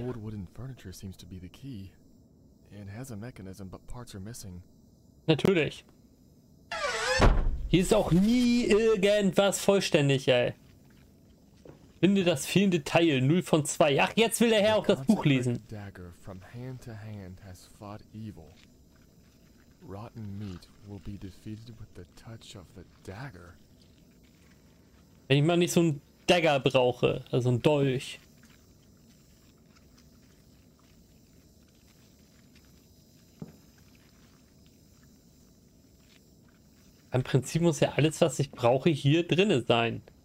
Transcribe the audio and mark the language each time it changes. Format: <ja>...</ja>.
<en>Old wooden furniture seems to be the key. It has a mechanism, but parts are missing.</en> <de>Natürlich. Hier ist auch nie irgendwas vollständig, ey. Finde das fehlende Teil, 0 von 2. Ach, jetzt will der Herr auch das Buch lesen.</de> <en>Dagger from hand to hand has fought evil. Rotten meat will be defeated with the touch of the dagger.</en> <de>Wenn ich mal nicht so ein Dagger brauche, also ein Dolch. Im Prinzip muss ja alles, was ich brauche, hier drinne sein.</de>